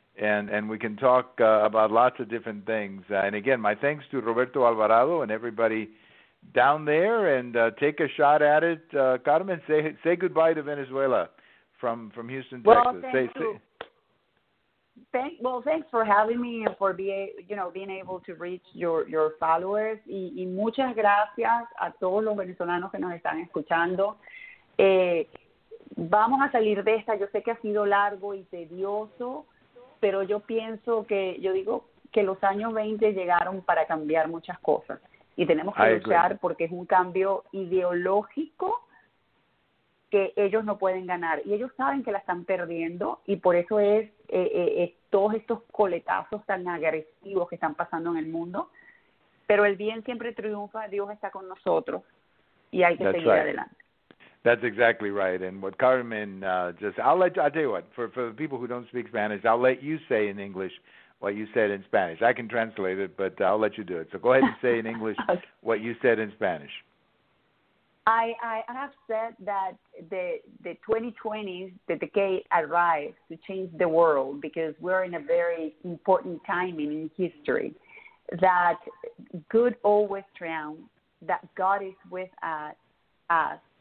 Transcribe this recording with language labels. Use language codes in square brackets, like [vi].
[en] And we can talk about lots of different things. And again, my thanks to Roberto Alvarado and everybody down there and take a shot at it. Carmen, say goodbye to Venezuela from Houston, well, Texas. Thanks for having me and for being able to reach your followers. [es] Y muchas gracias a todos los venezolanos que nos están escuchando. Vamos a salir de esta. Yo sé que ha sido largo y tedioso, pero yo pienso que, yo digo que los años 20 llegaron para cambiar muchas cosas. Y tenemos que luchar porque es un cambio ideológico que ellos no pueden ganar. Y ellos saben que la están perdiendo y por eso es todos estos coletazos tan agresivos que están pasando en el mundo. Pero el bien siempre triunfa, Dios está con nosotros y hay que seguir adelante. [en] That's exactly right. And what Carmen I'll tell you what, for the people who don't speak Spanish, I'll let you say in English what you said in Spanish. I can translate it, but I'll let you do it. So go ahead and say in English what you said in Spanish. I have said that the 2020s, the decade arrives to change the world because we're in a very important time in history, that good always triumphs, that God is with us.